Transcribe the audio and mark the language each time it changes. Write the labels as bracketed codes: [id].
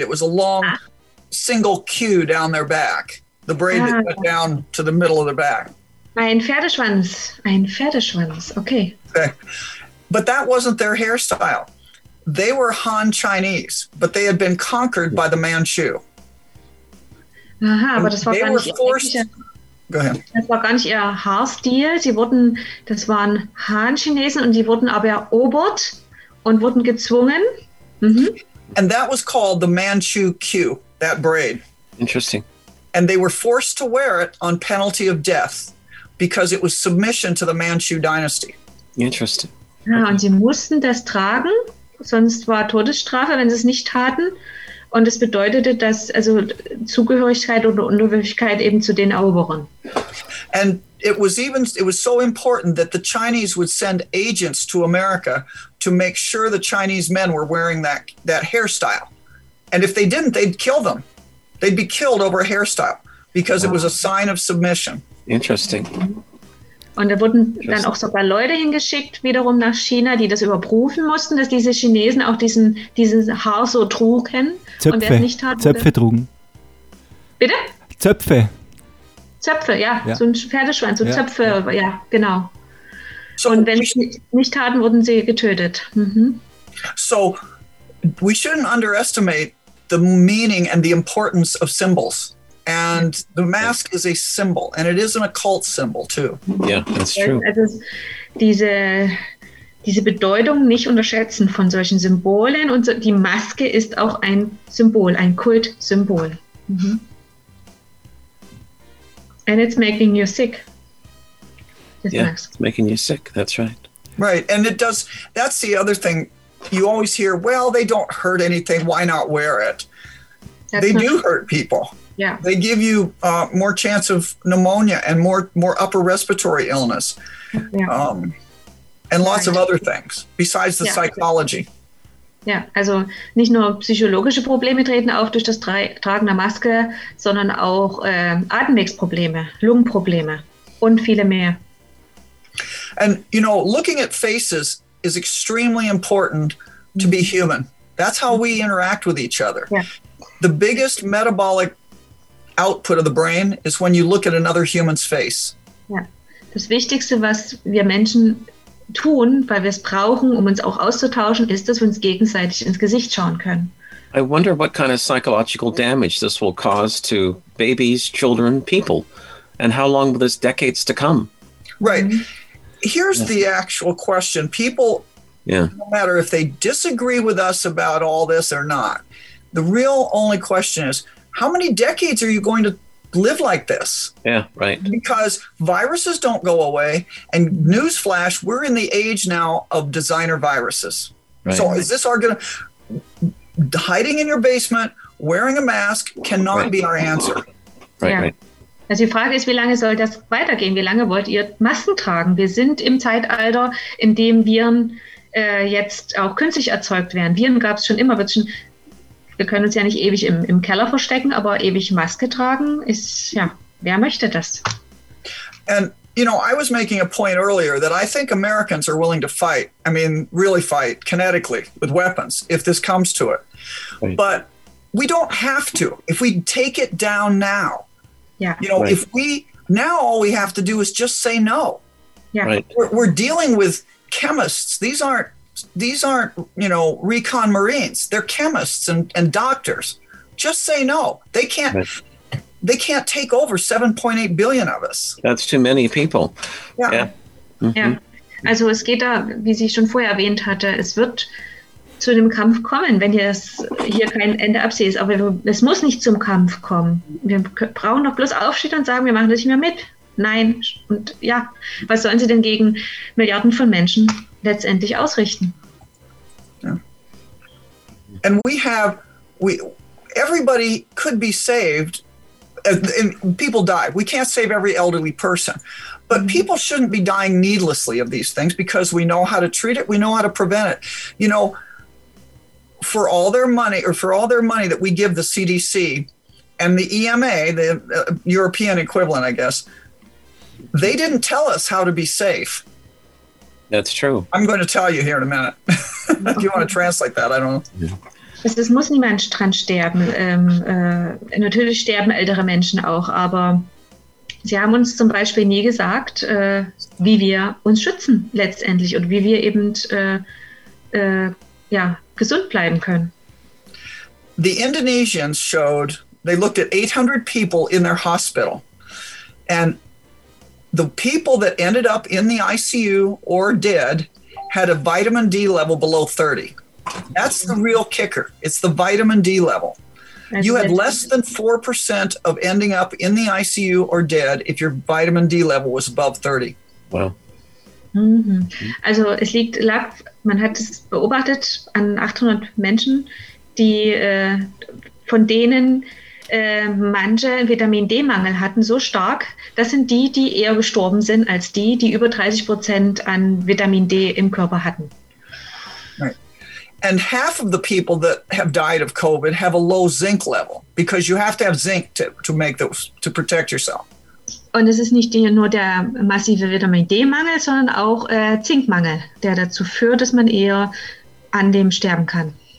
[en] It was a long single queue down their back. The braid that went down to the middle of their back. [de] Ein Pferdeschwanz. Okay. [en] But that wasn't their hairstyle. They were Han Chinese, but they had been conquered by the Manchu. [de] Aha, aber das war gar nicht das war gar nicht ihr Haarstil. Sie wurden, das waren Han-Chinesen und die wurden aber erobert und wurden gezwungen. [en] And that was called the Manchu Q, that braid. Interesting. And they were forced to wear it on penalty of death because it was submission to the Manchu dynasty. Interesting. [de] Ja, und sie mussten das tragen, sonst war Todesstrafe, wenn sie es nicht taten. Und es bedeutete, dass also Zugehörigkeit oder Unterwürfigkeit eben zu den Eroberern. [en] And it was even it was so important that the Chinese would send agents to America to make sure the Chinese men were wearing that hairstyle. And if they didn't, they'd kill them. They'd be killed over a hairstyle because it was a sign of submission. Interesting. [de] Und da wurden dann auch sogar Leute hingeschickt, wiederum nach China, die das überprüfen mussten, dass diese Chinesen auch diesen Haar so trugen. Zöpfe. Und nicht hatten, Zöpfe trugen. Bitte? Zöpfe. Zöpfe, ja. So ein Pferdeschwein, so Zöpfe, ja, genau. So und wenn sie nicht taten, wurden sie getötet. [en] So, we shouldn't underestimate the meaning and the importance of symbols. And the mask is a symbol, and it is an occult symbol too. Yeah, that's true. [de] Also diese Bedeutung nicht unterschätzen von solchen Symbolen. Und so, die Maske ist auch ein Symbol, ein Kultsymbol. [en] And it's making you sick. Mask. It's making you sick. That's right. Right, and it does. That's the other thing. You always hear, "Well, they don't hurt anything. Why not wear it?" That's they do hurt people. Yeah. They give you more chance of pneumonia and more upper respiratory illness and lots of other things besides the psychology. [de] Ja, also nicht nur psychologische Probleme treten auf durch das Tragen der Maske, sondern auch Atemwegsprobleme, Lungenprobleme und viele mehr. [en] And, you know, looking at faces is extremely important to be human. That's how we interact with each other. Yeah. The biggest metabolic output of the brain is when you look at another human's face. [de] Ja. Das Wichtigste, was wir Menschen tun, weil wir es brauchen, um uns auch auszutauschen, ist, dass wir uns gegenseitig ins Gesicht schauen können. [en] I wonder what kind of psychological damage this will cause to babies, children, people, and how long will this decades to come? Right. Here's the actual question. People, no matter if they disagree with us about all this or not, the real only question is, how many decades are you going to live like this? Yeah, right. Because viruses don't go away. And newsflash, we're in the age now of designer viruses. Right. So is this our going to... Hiding in your basement, wearing a mask cannot be our answer. Right. [de] Also die Frage ist, wie lange soll das weitergehen? Wie lange wollt ihr Masken tragen? Wir sind im Zeitalter, in dem Viren jetzt auch künstlich erzeugt werden. Viren gab es schon immer, wird schon... Wir können uns ja nicht ewig im Keller verstecken, aber ewig Maske tragen ist, ja, wer möchte das? [en] And, you know, I was making a point earlier that I think Americans are willing to fight, I mean, really fight, kinetically, with weapons, if this comes to it. But we don't have to, if we take it down now. Yeah. You know, if we, now all we have to do is just say no. Yeah. Right. We're dealing with chemists, these aren't, you know, recon Marines. They're chemists and doctors. Just say no. They can't take over 7.8 billion of us. That's too many people. Yeah. [de] Also es geht da, wie sie schon vorher erwähnt hatte, es wird zu dem Kampf kommen, wenn hier kein Ende absieht. Aber es muss nicht zum Kampf kommen. Wir brauchen doch bloß Aufstehen und sagen, wir machen das nicht mehr mit. Nein. Und ja, was sollen sie denn gegen Milliarden von Menschen letztendlich ausrichten? [en] Yeah. And everybody could be saved, and people die. We can't save every elderly person, but people shouldn't be dying needlessly of these things because we know how to treat it, we know how to prevent it. You know, for all their money that we give the CDC and the EMA, the European equivalent, I guess, they didn't tell us how to be safe. That's true. I'm going to tell you here in a minute. If you want to translate that, I don't know. [de] Es muss niemand dran sterben. Natürlich sterben ältere Menschen auch, aber sie haben uns zum Beispiel nie gesagt, wie wir uns schützen letztendlich und wie wir eben gesund bleiben können. [en] The Indonesians showed They looked at 800 people in their hospital. And the people that ended up in the ICU or dead had a vitamin D level below 30. That's the real kicker. It's the vitamin D level. You had less than 4% of ending up in the ICU or dead if your vitamin D level was above 30. Wow. Mhm. [de] Also es liegt, man hat es beobachtet an 800 Menschen, die von denen manche Vitamin-D-Mangel hatten, so stark, das sind die, die eher gestorben sind, als die, die über 30% an Vitamin-D im Körper hatten. [en] And half of the people that have died of COVID have a low zinc level, because you have to have zinc to make those, to protect yourself. [de] Und es ist nicht nur der massive Vitamin-D-Mangel, sondern auch Zinkmangel, der dazu führt, dass man eher an dem sterben kann.